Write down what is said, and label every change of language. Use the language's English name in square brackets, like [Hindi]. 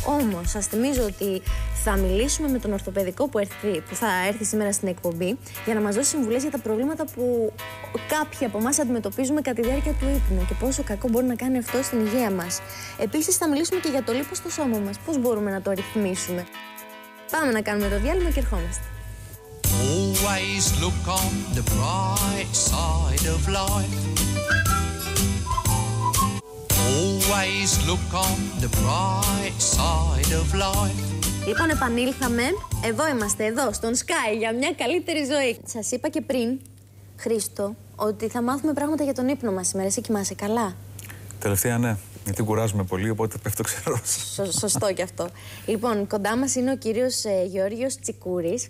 [Greek] Όμως, σας θυμίζω ότι θα μιλήσουμε με τον ορθοπαιδικό που θα έρθει σήμερα στην εκπομπή για να μας δώσει συμβουλές για τα προβλήματα που κάποιοι από εμάς αντιμετωπίζουμε κατά τη διάρκεια του ύπνου και πόσο κακό μπορεί να κάνει αυτό στην υγεία μας. Επίσης, θα μιλήσουμε και για το λίπος στο σώμα μας. Πώς μπορούμε να το ρυθμίσουμε. Πάμε να κάνουμε το διάλειμμα και ερχόμαστε. [English] Always look on the bright side of life. Always look on the bright side of life. [Greek] Λοιπόν, επανήλθαμε. Εδώ είμαστε, εδώ, στον Sky, για μια καλύτερη ζωή. Σας είπα και πριν, Χρήστο, ότι θα μάθουμε πράγματα για τον ύπνο μας σήμερα. Εσύ κοιμάσαι καλά? Τελευταία, ναι. Γιατί κουράζουμε πολύ, οπότε πέφτω ξερός. Σωστό και αυτό. Λοιπόν, κοντά μας είναι ο κύριος Γεώργιος Τσικούρης.